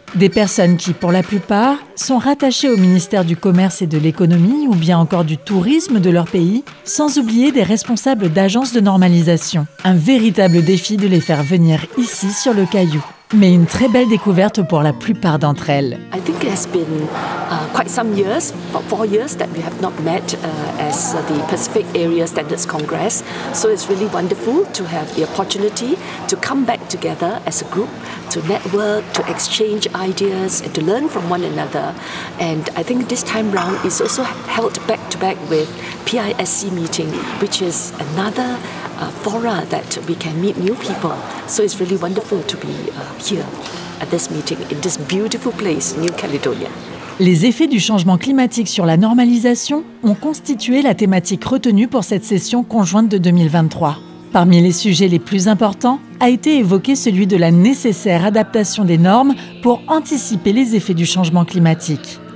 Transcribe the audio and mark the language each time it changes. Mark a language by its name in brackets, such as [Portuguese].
[French] Des personnes qui, pour la plupart, sont rattachées au ministère du Commerce et de l'Économie ou bien encore du Tourisme de leur pays, sans oublier des responsables d'agences de normalisation. Un véritable défi de les faire venir ici sur le Caillou. Mais une très belle découverte pour la plupart d'entre elles. [English] I think it has been quite some years, about 4 years that we have not met as the Pacific Area Standards Congress. So it's really wonderful to have the opportunity to come back together as a group, to network, to exchange ideas, and to learn from one another. And I think this time round is also held back to back with PISC meeting, which is another fora that we can meet new people. So it's really wonderful to be here at this meeting in this beautiful place, New Caledonia. [French] Les effets du changement climatique sur la normalisation ont constitué la thématique retenue pour cette session conjointe de 2023. Parmi les sujets les plus importants a été évoqué celui de la nécessaire adaptation des normes pour anticiper les effets du changement climatique.